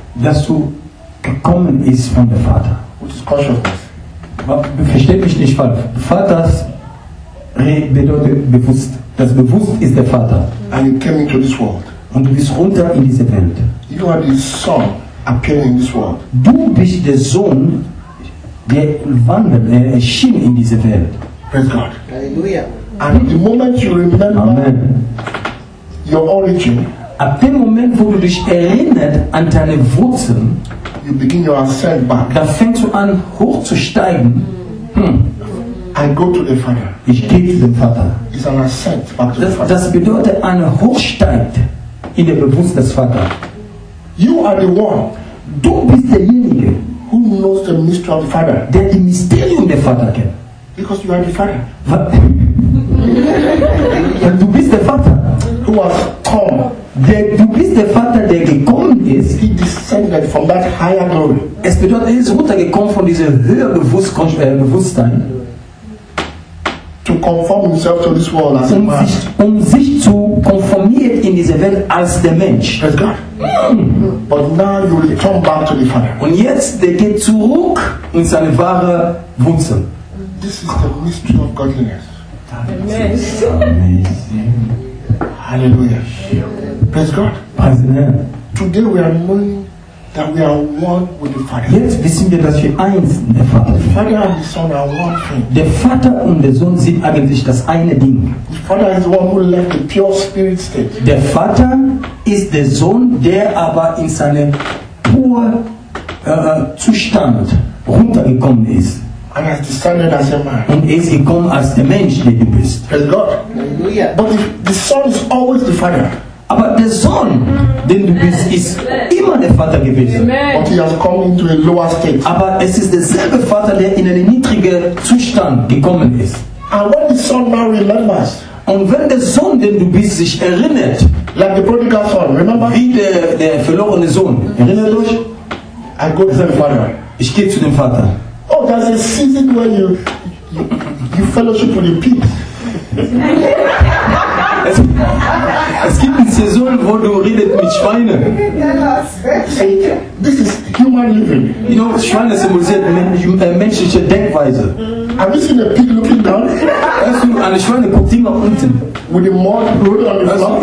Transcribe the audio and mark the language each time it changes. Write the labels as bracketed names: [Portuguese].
[German] Dass du gekommen ist von der Vater. [English] What is consciousness? [German] Versteht mich nicht falsch. Vaters bedeutet bewusst. Das bewusst ist der Vater. [English] And you came into this world. [German] Und du bist runter in diese Welt. [English] You are the Son appearing in this world. [German] Du bist der Sohn, der wandelt, der erschien in diese Welt. [English] Praise God. Hallelujah. And the moment you remember, amen, your origin, [German] ab dem Moment, wo du dich erinnerst an deine Wurzeln, [English] you begin your ascent back. [German] Da fängst du an, hochzusteigen. [English] I go to the Father. [German] Ich gehe zu dem Vater. [English] It's an ascent back to [German] das, [English] the Father. [German] Das bedeutet eine Hochsteigt in der Bewusstsein des Vaters. [English] You are the one. [German] Du bist derjenige, [English] who knows the mystery of the Father. [German] Der die Mysterium der Vater kennt. [English] Because you are the Father. [German] Weil du bist der Vater. [English] Who has come? [German] Du bist der Vater, der gekommen ist. [English] He descended from that higher glory. [German] Es bedeutet, er ist runtergekommen von diesem höher Bewusstsein. [English] To conform himself to this world as [German] um [English] man. [German] Um sich zu konformieren in dieser Welt als der Mensch. [English] Praise God. But now you return back to the Father. [German] Und jetzt der geht zurück in seine wahre Wurzeln. [English] This is the mystery of godliness. Amen. Hallelujah. Praise God. Praise the name. Today we are knowing that we are one with the Father. [German] Jetzt wissen wir, dass wir eins in der Vater sind. [English] The Father and the Son are one thing. [German] Der Vater und der Sohn sind eigentlich das eine Ding. [English] The Father is the one who left the pure spirit state. [German] Der Vater ist der Sohn, der aber in seinem pure Zustand runtergekommen ist. [English] And has descended as a man. [German] Und er ist gekommen als der Mensch, der du bist. [English] Praise God. Hallelujah. But the Son is always the Father. [German] Aber der Sohn, den du bist, ist immer der Vater gewesen. [English] But he has come into a lower state. [German] Aber es ist derselbe Vater, der in einen niedrigen Zustand gekommen ist. [English] And when the Son now remembers, [German] und wenn der Sohn, den du bist, sich erinnert, [English] like the prodigal son, remember? [German] Wie der verlorene Sohn, erinnert euch? [English] I go to the Father. [German] Ich gehe zu dem Vater. [English] Oh, there's a season when you fellowship with the pigs. [German] Es gibt eine Saison, wo du redest mit Schweinen. [English] This is human living. You know, [German] Schweine symbolisiert menschliche Denkweise. [English] Have you seen a pig looking down? [German] Eine Schweine guckt immer unten. [English] With the mud blood on the floor.